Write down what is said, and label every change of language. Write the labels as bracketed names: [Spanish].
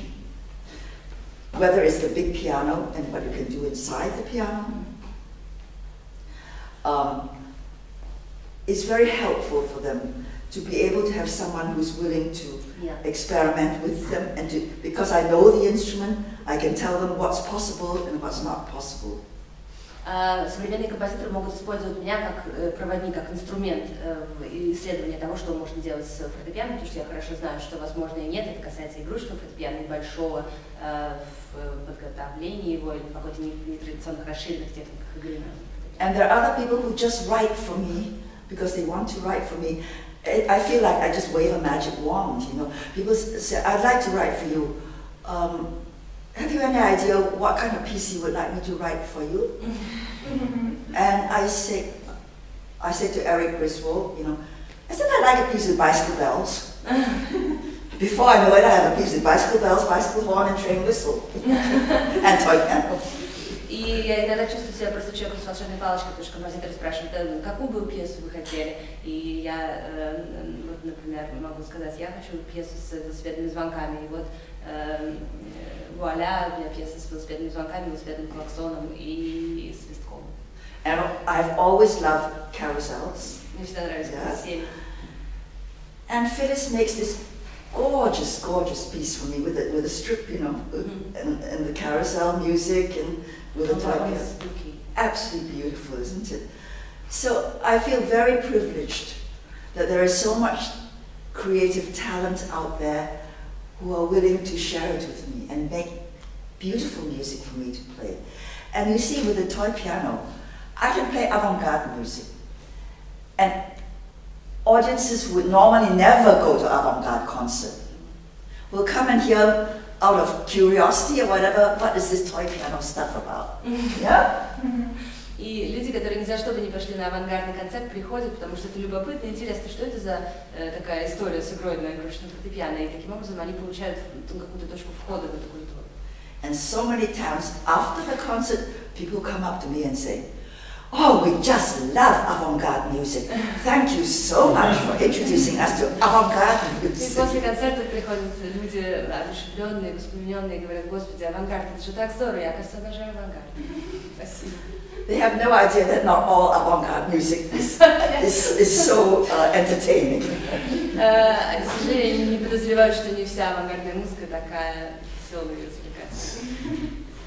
[English] Mm-hmm. Whether it's the big piano and what you can do inside the piano, it's very helpful for them to be able to have someone who's willing to experiment with them, and to, because I know the instrument, I can tell them what's possible and what's not possible. [Russian] Современные композиторы могут использовать меня как проводник, как инструмент исследования того, что можно делать с фортепиано, потому что я хорошо знаю, что возможно и нет. Это касается игрушечного фортепиано, небольшого в подготовлении его или в какой-то нетрадиционных расширенных техниках игры. [English] And there are other people who just write for me because they want to write for me. I feel like I just wave a magic wand, you know. People say, I'd like to write for you. Have you any idea what kind of piece you would like me to write for you? And I said to Eric Griswold, you know, isn't that like a piece of bicycle bells? Before I know it, I have a piece of bicycle bells, bicycle horn, and train whistle, and toy piano. [Russian] И я иногда чувствую себя просто человеком с волшебной палочкой, потому что композиторы спрашивают, да, какую бы пьесу вы хотели? И я, вот, например, могу сказать, я хочу пьесу с велосипедными звонками. И вот, вуаля, у меня пьеса с велосипедными звонками, велосипедным клаксоном и свистком. [English] And I've always loved carousels. [Russian] Мне всегда нравится карусель. [English] And Phyllis makes this gorgeous, gorgeous piece for me with a strip, you know, and the carousel music and with a type of spooky. Absolutely beautiful, isn't it? So I feel very privileged that there is so much creative talent out there who are willing to share it with me and make beautiful music for me to play. And you see, with a toy piano, I can play avant-garde music. And audiences would normally never go to avant-garde concert. We'll come and hear out of curiosity or whatever, what is this toy piano stuff about? Yeah? [Russian] И люди, которые ни за что бы не пошли на авангардный концерт, приходят, потому что это любопытно, интересно, что это за такая история с игрой на игрушечном фортепиано, и таким образом они получают какую-то точку входа в эту культуру. [English] And so many times after the concert, people come up to me and say, oh, we just love avant-garde music. Thank you so much for introducing us to avant-garde music. [Russian] И после концерта приходят люди одушевленные, воспламененные, говорят, господи, авангард, это же так здорово, я, кажется, обожаю авангард. Спасибо. [English] They have no idea that not all avant-garde music is so entertaining. [Russian] К сожалению, не подозревают, что не вся авангардная музыка такая веселая и развлекательная.